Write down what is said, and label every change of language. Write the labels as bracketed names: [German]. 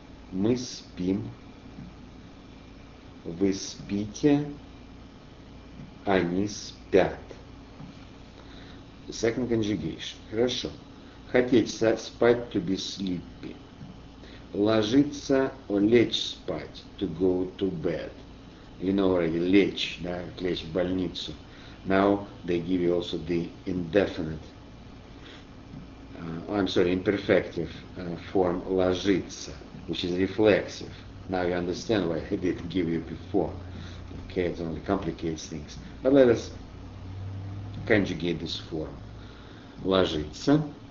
[Russian] Мы спим. Вы спите. Они спят. [English] Second conjugation. [Russian] Хорошо. Хотеть спать, [English] to be sleepy. [Russian] Ложиться, лечь спать, [English] to go to bed. You know already, [Russian] лечь, да, лечь в больницу. [English] Now they give you also the indefinite, imperfective form, ложиться. which is reflexive. Now you understand why I didn't give you before. Okay, it only complicates things. But let us conjugate this form. Ложиться.